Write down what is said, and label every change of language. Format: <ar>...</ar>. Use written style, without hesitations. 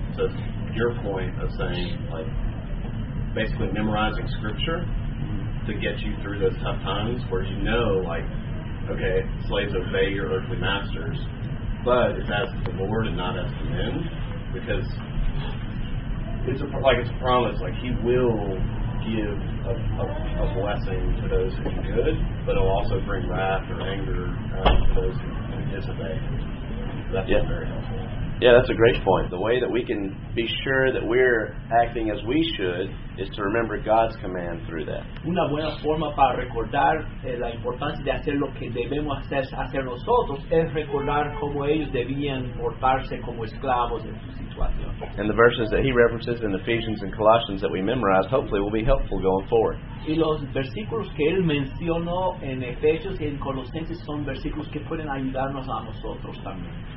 <en>So your point of saying like basically memorizing scripture to get you through those tough times where you know like, okay, slaves obey your earthly masters, but it's as to the Lord and not as to men, because it's a promise, like he will give a blessing to those who do good, but it'll also bring wrath or anger to those who disobey. That's yeah. Very helpful. Yeah, that's a great point. The way that we can be sure that we're acting as we should is to remember God's command through that.</en> <es>Una buena forma para recordar la importancia de hacer lo que debemos hacer nosotros es recordar cómo ellos debían portarse como esclavos en su situación.</es> <en>And the verses that he references in Ephesians and Colossians that we memorized hopefully will be helpful going forward.</en> <es>Y los versículos que él mencionó en Efesios y en Colosenses son versículos que pueden ayudarnos a nosotros también.</es>